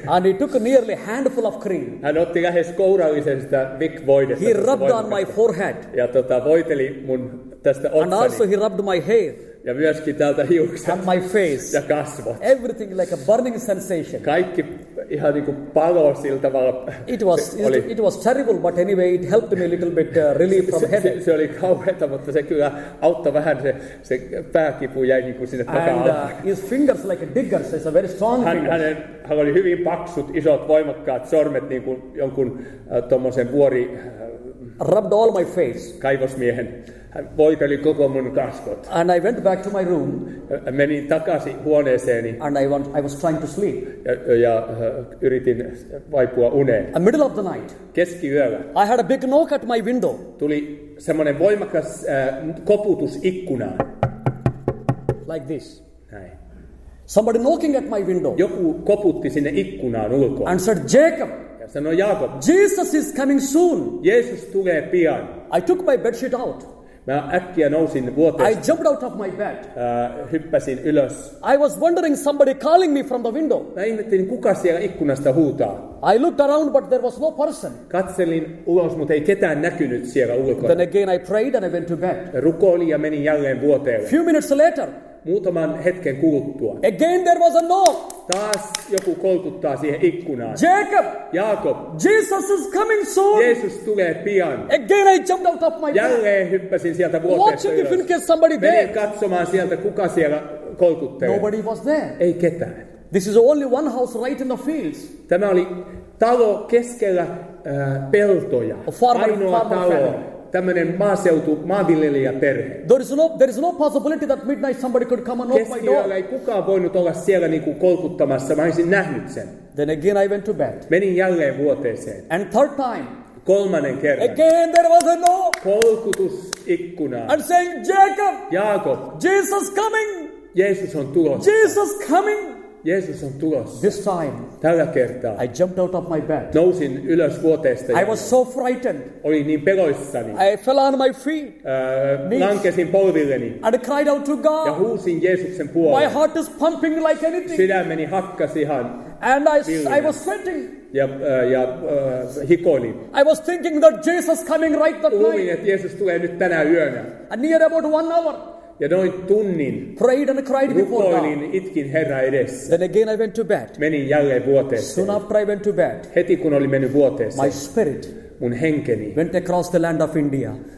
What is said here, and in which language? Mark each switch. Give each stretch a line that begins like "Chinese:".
English: And he took nearly a handful of cream.
Finnish: Hän otti lähes kourallisen sitä voidetta.
English: He rubbed on my forehead.
Finnish: Ja voiteli mun tästä otsani.
English: And also he rubbed my hair.
Finnish: Ja myöskin täältä hiukset.
English: And my face.
Finnish: Ja kasvot.
English: Everything like a burning sensation.
Finnish: Kaikki ihan niin kuin palo sillä tavalla.
English: It was terrible, but anyway, it helped me a little bit relief from headache.
Finnish: Se oli kauheata, mutta se kyllä auttoi vähän, se pääkipu jäi niin kuin sinne takaa.
English: And his fingers like a digger, so it's a very strong finger.
Finnish: Hän oli hyvin paksut, isot, voimakkaat sormet, niin kuin jonkun tuommoisen vuori.
English: Rubbed all my face.
Finnish: Kaivosmiehen. Hän voiteli koko mun kasvot.
English: And I went back to my room.
Finnish: Menin takaisin huoneeseeni.
English: And I was trying to sleep.
Finnish: Ja yritin vaipua uneen.
English: A middle of the night.
Finnish: Keskiyöllä.
English: I had a big knock at my window.
Finnish: Tuli semmoinen voimakas koputus ikkunaan.
English: Like this.
Finnish: Näin.
English: Somebody knocking at my window.
Finnish: Joku koputti sinne ikkunaan ulkoon.
English: And said, Jacob.
Finnish: Ja sanoi, Jaakob.
English: Jesus is coming soon.
Finnish: Jeesus tulee pian.
English: I took my bedsheet out.
Finnish: Mä äkkiä nousin vuoteesta.
English: I jumped out of my bed.
Finnish: Hyppäsin ylös.
English: I was wondering somebody calling me from the window.
Finnish: Mä ihmettelin, kuka siellä ikkunasta huutaa.
English: I looked around, but there was no person.
Finnish: Katselin ulos, mutta ei ketään näkynyt siellä ulkona.
English: Then again I prayed and I went to bed.
Finnish: Rukoilin ja menin jälleen vuoteelle.
English: Few minutes later.
Finnish: Muutaman hetken kuluttua.
English: Again there was a knock.
Finnish: Taas joku kolkuttaa siihen ikkunaan.
English: Jacob.
Finnish: Jaakob.
English: Jesus is coming soon.
Finnish: Jeesus tulee pian.
English: Again I jumped out of my bed.
Finnish: Jälleen hyppäsin sieltä vuoteesta ylös.
English: Watching if in case somebody there.
Finnish: Menin katsomaan sieltä, kuka siellä kolkuttelee.
English: Nobody was there.
Finnish: Ei ketään.
English: This is only one house right in the fields.
Finnish: Tämä oli talo keskellä peltoja.
English: Farmer.
Finnish: Tämmöinen maaseutu, maanviljelijäperhe.
English: There is no possibility that midnight somebody could come and knock my door.
Finnish: Keskiyöllä ei kukaan voinut olla siellä niin kuin kolkuttamassa. Mä olisin nähnyt sen.
English: Then again I went to bed.
Finnish: Menin jälleen vuoteeseen.
English: And third time.
Finnish: Kolmannen kerran.
English: Again there was a knock.
Finnish: Kolkutus ikkunaan.
English: And saying, Jacob.
Finnish: Jaakob.
English: Jesus coming.
Finnish: Jeesus on tulossa.
English: Jesus coming.
Finnish: Jeesus on tulossa.
English: This time.
Finnish: Tällä kertaa.
English: I jumped out of my bed.
Finnish: Nousin ylös vuoteesta.
English: I was so frightened.
Finnish: Olin niin peloissani.
English: I fell on my feet.
Finnish: Lankesin polvilleni.
English: And cried out to God.
Finnish: Ja huusin Jeesuksen puoleen.
English: My heart is pumping like anything.
Finnish: Sydämeni hakkasi ihan.
English: And I was sweating.
Finnish: Ja hikoilin.
English: I was thinking that Jesus coming right that night.
Finnish: Luulin, että Jeesus tulee nyt tänä yönä.
English: And near about 1 hour.
Finnish: Ja noin tunnin
English: prayed and cried before God.
Finnish: Rukoilin, itkin Herra edessä.
English: Then again I went to bed.
Finnish: Menin jälleen vuoteeseen.
English: Soon after I went to bed.
Finnish: Heti kun olin mennyt vuoteeseen.
English: My spirit.
Finnish: Mun henkeni.
English: Went across the land of India.